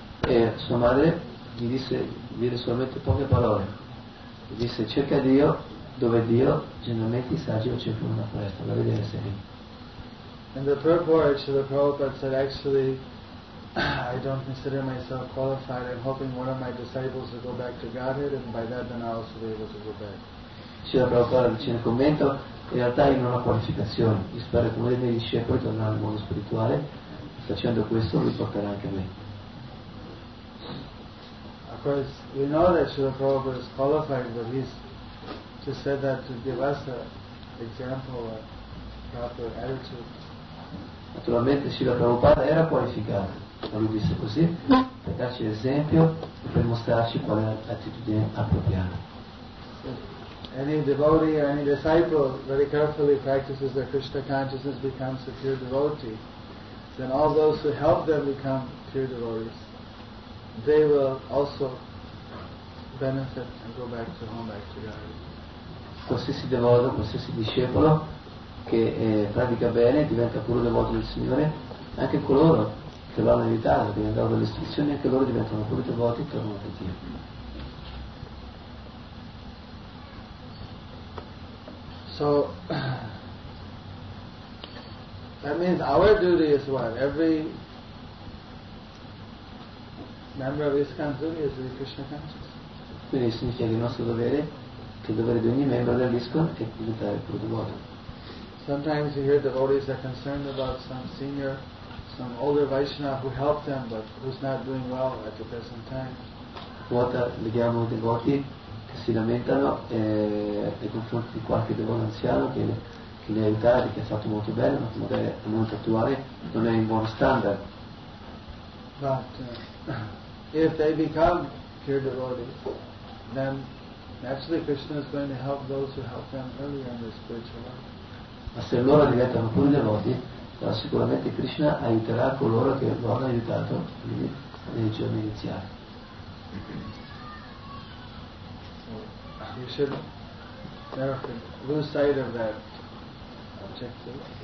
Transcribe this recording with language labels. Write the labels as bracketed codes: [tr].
[it] E sua madre gli disse, dire solamente poche parole. Gli disse, cerca Dio dove Dio generalmente i saggi lo cercano una foresta. Va a vedere se è. [en] In the third voyage, the Prabhupada said, actually, I don't consider myself qualified. I'm hoping one of my disciples will go back to Godhead, and by that, then I'll also be able to go back. [it] Srila Prabhupada dice nel commento, in realtà io non ho qualificazione. Io spero che uno dei miei discepoli tornerà al mondo spirituale. Facendo questo, lui porterà anche a me. [en] Of course, we know that Srila Prabhupada is qualified, but he's just said that to give us an example of proper attitude. [it] Naturalmente Srila Prabhupada era qualificato, ma lui disse così per darci l'esempio e per mostrarci qual è l'attitudine appropriata. [en] Any devotee or any disciple very carefully practices their Krishna consciousness becomes a pure devotee, then all those who help them become pure devotees, they will also benefit and go back to home, back to God. [it] Qualsiasi devoto, qualsiasi discepolo che pratica bene diventa puro devoto del Signore, anche coloro che lo hanno aiutato, che gli hanno dato delle istruzioni, anche loro diventano puro devoti e tornano a Dio. [en] So that means our duty is what? Every member of ISKCON duty is to be Krishna conscious. [it] Quindi significa che il nostro dovere, che il dovere di ogni membro dell'ISKCON è diventare puro devoto. [en] Sometimes you hear devotees are concerned about some senior, some older Vaishnava who helped them but who's not doing well at the present time. [it] Quota vediamo devoti che si lamentano nei confronti di qualche devoto anziano che li ha aiutati, che ha fatto molto bene, ma che al momento attuale non è in buon standard. [en] But if they become pure devotees, then naturally Krishna is going to help those who helped them earlier in their spiritual life. [it] Ma se loro diventano puri devoti, allora sicuramente Krishna aiuterà coloro che lo hanno aiutato nei giorni iniziali. [en] You should never lose sight of that objective.